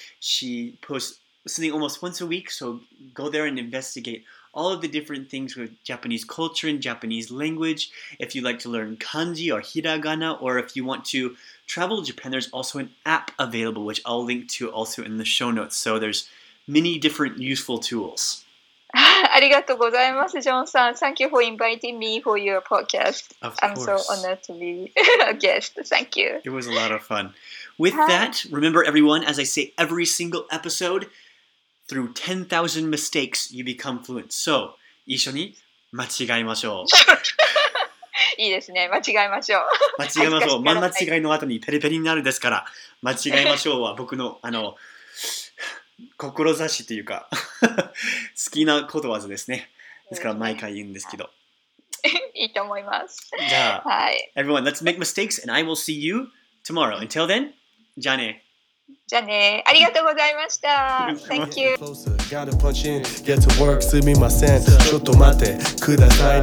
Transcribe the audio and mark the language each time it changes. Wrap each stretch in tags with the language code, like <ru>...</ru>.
<en>She postsSitting almost once a week, so go there and investigate all of the different things with Japanese culture and Japanese language. If you'd like to learn kanji or hiragana, or if you want to travel Japan, there's also an app available, which I'll link to also in the show notes. So there's many different useful tools.</en> <ja>ありがとうございます、ジョンさん。</ja> <en>Thank you for inviting me for your podcast. Of course. I'm so honored to be a guest. Thank you. It was a lot of fun. With that, remember everyone, as I say every single episode, through 10,000 mistakes, you become fluent. So,</en> <ja>一緒に間違いましょう。いいですね。間違いましょう。間違いましょう。間違いの後にペリペリになるですから、間違いましょうは僕の、志というか好きなことわざですね。ですから毎回言うんですけど。いいと思います。じゃあ、はい、</ja> <en>everyone, let's make mistakes and I will see you tomorrow. Until then,</en> <ja>じゃあね。じゃあね、ありがとうございました。</ja> <en>Thank you.</en> <ja>ちょっと待ってください。</ja>